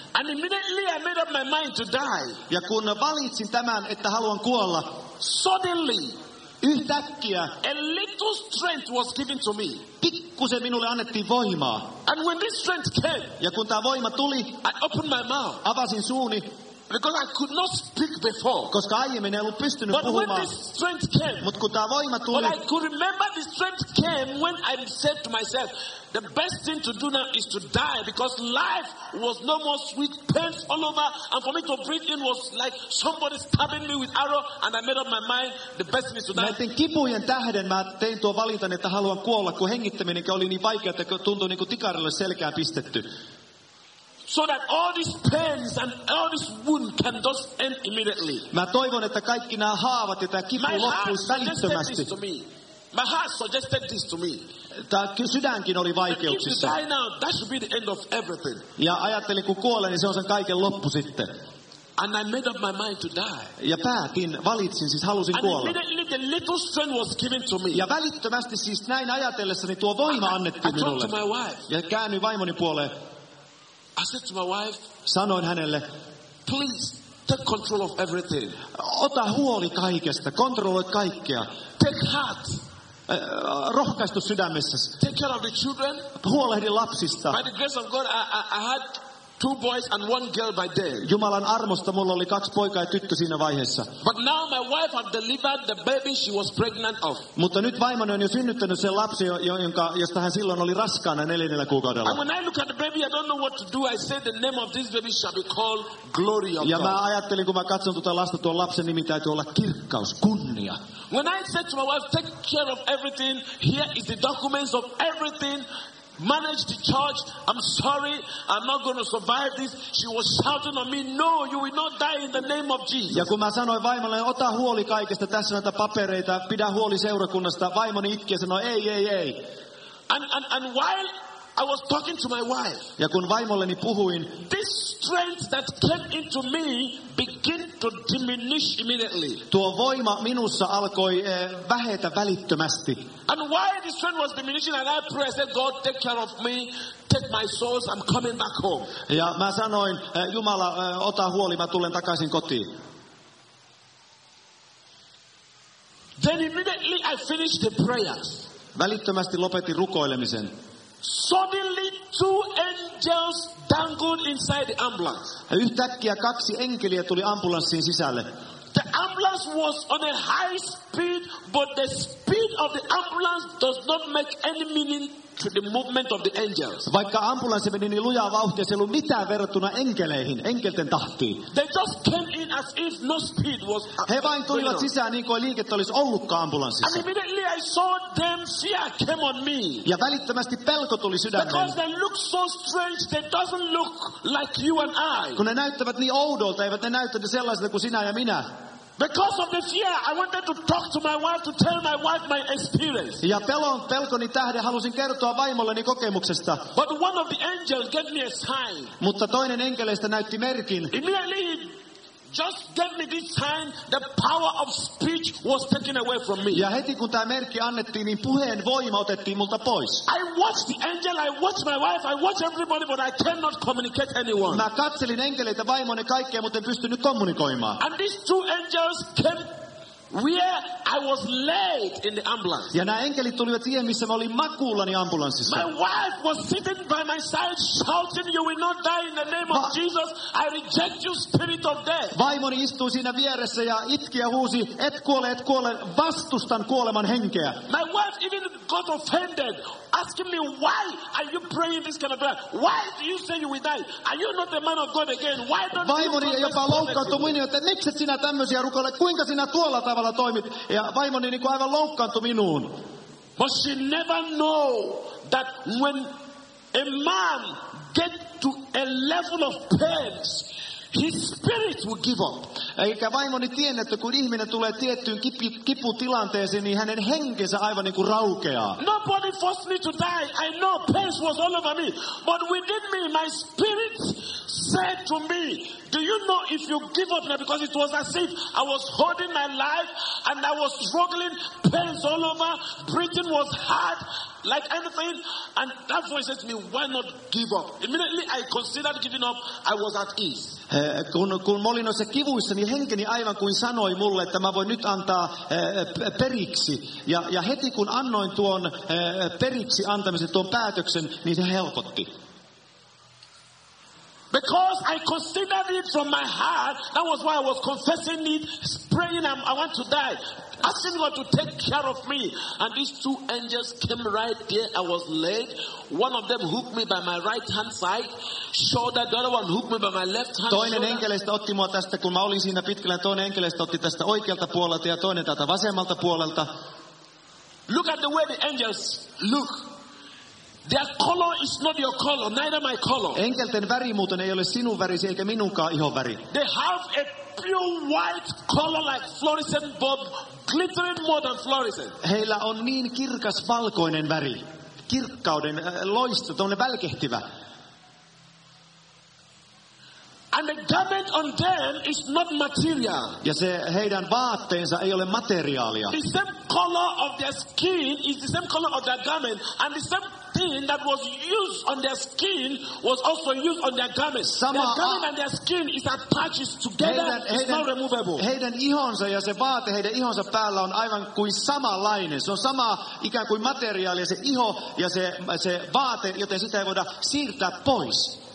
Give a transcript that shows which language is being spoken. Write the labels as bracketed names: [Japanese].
[English] And immediately I made up my mind to die. [Finnish] Ja kun valitsin tämän, että haluan kuolla. [English] Suddenly. [Finnish] Yhtäkkiä, [English] a little strength was given to me. [Finnish] Pikkusen minulle annettiin voimaa. [English] And when this strength came, [Finnish] ja kun tämä voima tuli, [English] I opened my mouth. [Finnish] Avasin suuni. [English] Because I could not speak before. [Finnish] Koska aiemmin en ollut pystynyt [English] but [Finnish] puhumaan. [English] When this strength came, [Finnish] mut kun tämä voima tuli, [English] but I could remember the strength came when I said to myself, the best thing to do now is to die because life was no more sweet, pains all over, and for me to breathe in was like somebody stabbing me with arrow, and I made up my mind, the best thing is to die. [Finnish] Näiden kipujen tähden mä tein tuo valintani, että haluan kuolla, kun hengittäminen oli niin vaikea, että tuntui niin kuin tikarille selkään pistetty. [English] So that all these pains and all this wound can just end immediately. [Finnish] Mä toivon, että kaikki nämä haavat ja tämä kipu loppuisi välittömästi. [English] My heart suggested this to me. [Finnish] Tämä sydänkin oli vaikeuksissa. [English] If you die now, that should be the end of everything. [Finnish] Ja ajattelin, kun kuolen, niin se on sen kaiken loppu sitten. [English] And I made up my mind to die. [Finnish] Ja päätin, valitsin, siis halusin [English] and [Finnish] kuolla. [English] Immediately the little strength was given to me. [Finnish] Ja välittömästi siis näin ajatellessani tuo voima annettiin minulle. [English] I talked to my wife. [Finnish] Ja käännyi vaimoni puoleen. [English] I said to my wife, [Finnish] sanoin hänelle, [English] please take control of everything. [Finnish] Ota huoli kaikesta, kontrolloi kaikkea. [English] Take heart. [Finnish] Rohkaistu sydämessäsi. [English] Take care of the children. [Finnish] Huolehdi lapsista. [English] By the grace of God, I had 2 boys and 1 girl by then. [Finnish] Jumalan armosta mulla oli 2 poikaa ja tyttö siinä vaiheessa. [English] But now my wife had delivered the baby she was pregnant of. [Finnish] Mutta nyt vaimoni on jo synnyttänyt sen lapsi, josta hän silloin oli raskaana 4 kuukaudella. [English] And when I look at the baby, I don't know what to do. I said the name of this baby shall be called Glory of God. [Finnish] Ja mä ajattelin, kun mä katson tuota lasta, tuon lapsen nimi täytyy olla Kirkkaus, Kunnia. [English] When I said to my wife, take care of everything, here is the documents of everything. Manage the church. I'm sorry. I'm not going to survive this. She was shouting on me. No, you will not die in the name of Jesus. [Finnish] Ja kun mä sanoin vaimolleni, ota huoli kaikesta, tässä näitä papereita, pidä huoli seurakunnasta. Vaimoni itki ja sanoi, ei. [English] And while I was talking to my wife, [Finnish] ja kun vaimolleni puhuin, [English] this strength that came into me began to diminish immediately. [Finnish] Tuo voima minussa alkoi vähetä välittömästi. [English] And while the strength was diminishing, and I prayed, I said, God, take care of me, take my souls, I'm coming back home. [Finnish] Ja mä sanoin, Jumala, ota huoli, mä tulen takaisin kotiin. [English] Then immediately I finished the prayers. [Finnish] Välittömästi lopetin rukoilemisen. [English] Suddenly, 2 angels dangled inside the ambulance. [Finnish] Yhtäkkiä 2 enkeliä tuli ambulanssiin sisälle. [English] The ambulance was on a high speed, but the speed of the ambulance does not make any meaning to the movement of the angels. [Finnish] Vaikka ambulanssi meni niin lujaa vauhtia, se ei ollut mitään verrattuna enkeleihin, enkelten tahtiin. [English] They just came in as if no speed was. [Finnish] He vain tulivat sisään niin kuin liikettä olisi ollutkaan ambulanssissa. [English] And immediately I saw them, fear came on me. [Finnish] Ja välittömästi pelko tuli sydämeen. [English] Because they look so strange, they doesn't look like you and I. [Finnish] Kun ne näyttävät niin oudolta, eivät ne näyttäneet sellaisilta kuin sinä ja minä. [English] Because of the fear, I wanted to talk to my wife, to tell my wife my experience. [Finnish] Ja pelkoni tähden halusin kertoa vaimolleni kokemuksesta. [English] But one of the angels gave me a sign. [Finnish] Mutta toinen enkeleistä näytti merkin. [English] Just gave me this sign, the power of speech was taken away from me. [Finnish] Ja heti kun tämä merkki annettiin, niin puheen voima otettiin multa pois. [English] I watched the angel, I watched my wife, I watched everybody, but I cannot communicate anyone. [Finnish] Mä katselin enkeleitä, vaimoni, kaikkea, mutta en pystynyt kommunikoimaan. [English] And these two angels came where I was laid in the ambulance. [Finnish] Ja nämä enkelit tulivat siihen, missä mä olin makuullani ambulanssissa. [English] My wife was sitting by my side shouting, "You will not die in the name of Jesus. I reject you, spirit of death." [Finnish] Vaimoni istui siinä vieressä ja itki ja huusi, "Et kuole, et kuole, vastustan kuoleman henkeä." [English] My wife even got offended, asking me, "Why are you praying this kind of prayer? Why do you say you will die? Are you not the man of God again? Why don't you?" [Finnish] Vaimoni jopa loukkaantui minuun, että mikset sinä tämmöisiä rukoilet? Kuinka sinä tuolla tavalla toimit? Ja vaimoni niin kuin aivan loukkaantui minuun. [English] But she never know that when a man get to a level of pain, his spirit will give up. [Finnish] Eikä vaimoni tiennyt, että kun ihminen tulee tiettyyn kiputilanteeseen, niin hänen henkensä aivan niin kuin raukeaa. [English] Nobody forced me to die. I know pain was all over me. But within me, my spirit said to me, "Do you know if you give up now?" Because it was as if I was holding my life and I was struggling, pains all over, breathing was hard, like anything. And that voice said to me, "Why not give up?" Immediately I considered giving up, I was at ease. [Finnish] Kun mä olin noissa kivuissa, niin henkeni aivan kuin sanoi mulle, että mä voin nyt antaa periksi. Ja heti kun annoin tuon periksi antamisen, tuon päätöksen, niin se helpotti. [English] Because I considered it from my heart, that was why I was confessing it, praying, I want to die, asking God to take care of me. And these two angels came right there. I was laid. One of them hooked me by my right hand side shoulder. The other one hooked me by my left hand. [Finnish] Toinen enkeleistä otti mua tästä, kun mä olin siinä pitkällä. Toinen enkeleistä otti tästä oikealta puolelta ja toinen tältä vasemmalta puolelta. [English] Look at the way the angels look. Their color is not your color, neither my color. [Finnish] Enkelten väri muuten ei ole sinun värisi eikä minunkaan ihon väri. [English] They have a pure white color like fluorescent bulb, glittering more than fluorescent. [Finnish] Heillä on niin kirkas valkoinen väri, kirkkauden loisto, tuonne välkehtivä. [English] And the garment on them is not material. [Finnish] Ja se heidän vaatteensa ei ole materiaalia. [English] The same color of their skin is the same color of their garment, and the same thing that was used on their skin was also used on their garment. [Finnish] Sama [English] their garment and their skin is attached together. It's not removable. [Finnish] Heidän ihonsa ja se vaate heidän ihonsa päällä on aivan kuin samanlainen. Se on sama ikään kuin materiaali ja se iho ja se vaate, joten sitä ei voida siirtää pois.